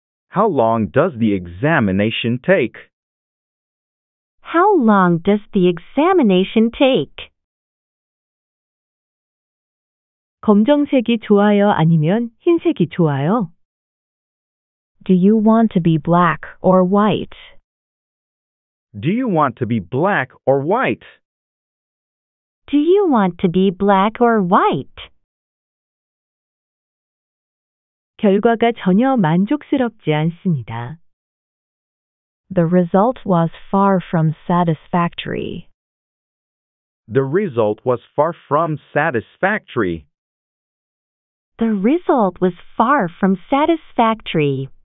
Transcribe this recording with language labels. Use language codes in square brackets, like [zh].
[en] How long does the examination take? How long does the examination take? [ko] 검정색이 좋아요 아니면 흰색이 좋아요? [en] Do you want to be black or white? Do you want to be black or white? Do you want to be black or white? [ko] 결과가 전혀 만족스럽지 않습니다. [en] The result was far from satisfactory. The result was far from satisfactory. The result was far from satisfactory.